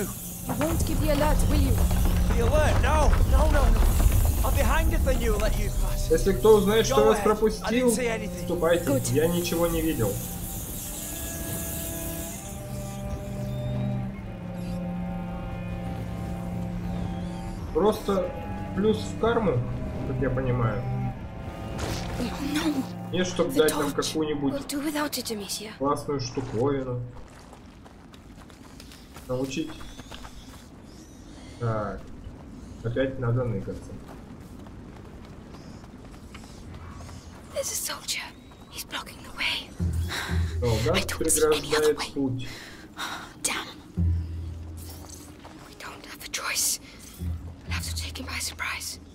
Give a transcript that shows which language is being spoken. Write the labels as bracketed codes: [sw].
[en] You won't give the alert, will you? The alert? No. No, no, no. I'll be hanged if they knew let you pass. [ru] Если кто узнает, что вас пропустил, вступайте. Я ничего не видел. Просто плюс в карму, как я понимаю. Нет, чтобы дать нам какую-нибудь классную штуковину. Научить. Так. Опять надо ныкаться. [en] There's a soldier. He's blocking the way. [ru] Солдат преграждает путь. [en] Damn. We don't have a choice. We'll have to take him by surprise.